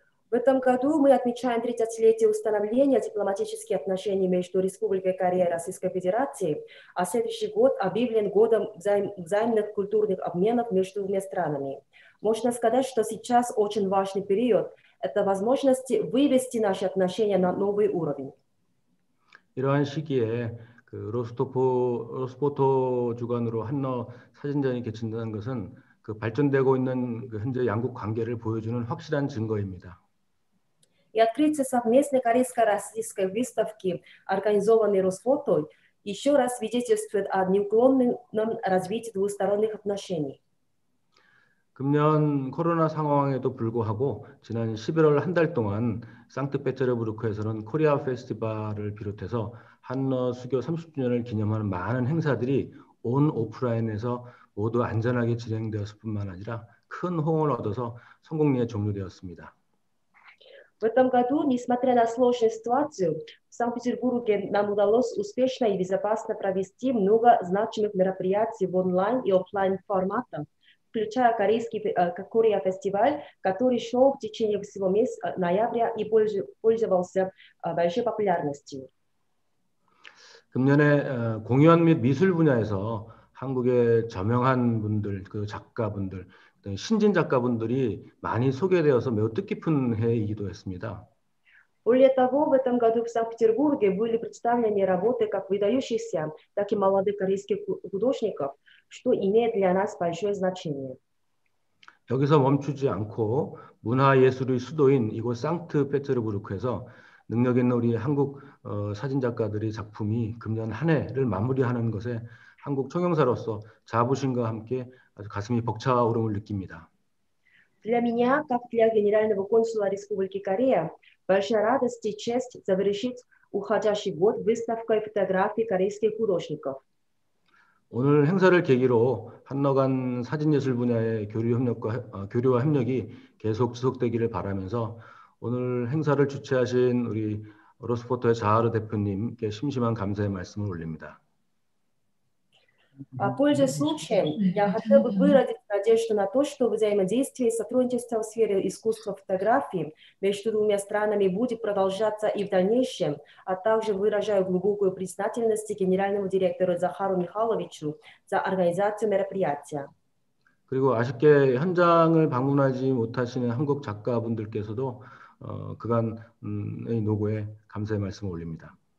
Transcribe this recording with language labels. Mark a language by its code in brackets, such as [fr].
[ru] В этом году мы отмечаем 30-летие установления дипломатических отношений между Республикой Корея и Российской Федерацией, а следующий год объявлен годом взаимных культурных обменов между двумя странами. Можно сказать, что сейчас очень важный период – это возможность вывести наши отношения на новый уровень. [ko] 이러한 시기에 그 로스포토 주관으로 한너 사진전이 개최된 것은 그 발전되고 있는 그 현재 양국 관계를 보여주는 확실한 증거입니다. [ru] И открытие совместной корейско-российской выставки, организованной Росфото, еще раз свидетельствует о неуклонном развитии двусторонних отношений. [ko] 금년 코로나 상황에도 불구하고 지난 11월 한 달 동안 상트페테르부르크에서는 코리아 페스티벌을 비롯해서 한너 수교 30주년을 기념하는 많은 행사들이 온 오프라인에서 모두 안전하게 진행되었을 뿐만 아니라 큰 호응을 얻어서 성공리에 종료되었습니다. [ru] В этом году, несмотря на сложную ситуацию, в Санкт-Петербурге нам удалось успешно и безопасно провести много значимых мероприятий в онлайн и офлайн форматах, включая Корея фестиваль, который шел в течение всего месяца ноября и пользовался большой популярностью. [ko] 금년에 공연 및 미술 분야에서 한국의 저명한 분들, 그 작가분들 신진 작가분들이 많이 소개되어서 매우 뜻깊은 해이기도 했습니다. [ru] Более того, в этом году в Санкт-Петербурге были представлены работы как выдающихся, так и молодых корейских художников, что имеет для нас большое значение. [ko] 여기서 멈추지 않고 문화예술의 수도인 이곳 상트페테르부르크에서 능력 있는 우리 한국 사진 작가들의 작품이 금년 한 해를 마무리하는 것에 한국 청영사로서 자부심과 함께 아주 가슴이 벅차오름을 느낍니다. [ru] Для меня, как для генерального консула Республики Корея, большая радость и честь завершить уходящий год выставкой фотографий корейских художников. [ko] 오늘 행사를 계기로 한너 간 사진 예술 분야의 교류와 협력이 계속 지속되기를 바라면서 오늘 행사를 주최하신 우리 로스포토의 자하르 대표님께 심심한 감사의 말씀을 올립니다. [ru] Пользуясь случаем, я хотел бы выразить надежду на то, что взаимодействие и сотрудничество в сфере искусства фотографии между двумя странами будет продолжаться и в дальнейшем, а также выражаю глубокую признательность генеральному директору Захару Михайловичу за организацию мероприятия. [ko] 그리고 아쉽게 현장을 방문하지 못하시는 한국 작가분들께서도 그간의 노고에 감사의 말씀을 올립니다.